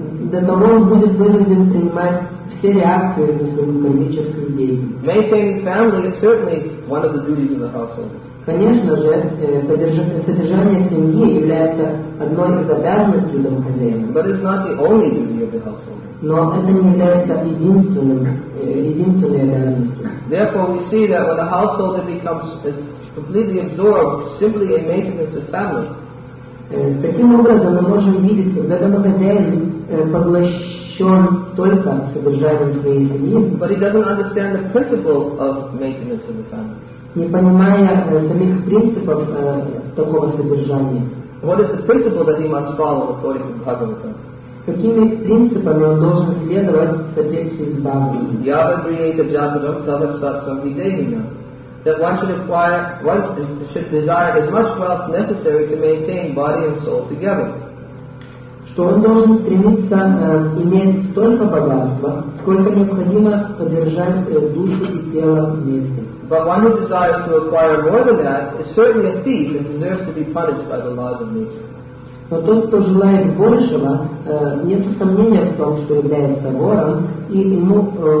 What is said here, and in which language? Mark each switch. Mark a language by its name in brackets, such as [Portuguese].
[Russian] До того он будет вынужден принимать все реакции на свою кармическую деятельность. [English] Maintaining family is certainly one of the duties of the household. [Russian] Конечно же, содержание семьи является одной из обязанностей домохозяина. [English] But it's not the only duty of the household. [Russian] Но это не является единственной обязанностью. [English] Therefore, we see that when a householder becomes completely absorbed simply in maintenance of family. [Russian] Таким образом, мы можем видеть, когда домохозяин поглощен только содержанием своей семьи, [English] but he doesn't understand the principle of maintenance of the family. [Russian] Не понимая самих принципов такого содержания. [English] What is the principle that he must follow according to Bhagavata? [Russian] Какими принципами он должен следовать в соответствии с Бхагаватой? [Sanskrit] Yavadriyeta jatadam tava svatsam videhina. [English] That one should acquire, one should desire as much wealth necessary to maintain body and soul together. [Russian] Что он должен стремиться иметь столько богатства, сколько необходимо поддержать душу и тело вместе. [English] But one who desires to acquire more than that is certainly a thief and deserves to be punished by the laws of nature. [Russian] Но тот, кто желает большего, нет сомнения в том, что является вором, и ему